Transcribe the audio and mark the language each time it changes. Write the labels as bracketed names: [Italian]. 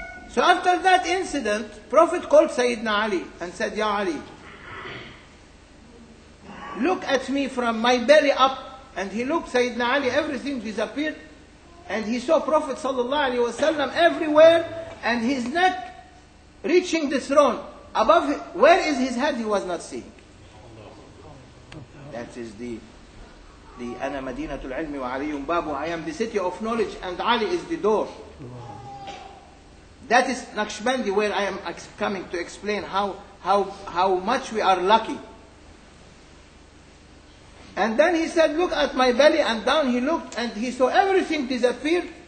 [English] So after that incident, Prophet called Sayyidina Ali and said, "Ya Ali, look at me from my belly up." And he looked, Sayyidina Ali, everything disappeared, and he saw Prophet sallallahu alaihi wasallam everywhere, and his neck reaching the throne. Above, where is his head? He was not seeing. That is the [Arabic] أنا مدينة العلم وعلي بابه. [English] I am the city of knowledge and Ali is the door. That is Naqshbandi, where I am coming to explain how much we are lucky. And then he said, look at my belly, and down he looked and he saw everything disappeared.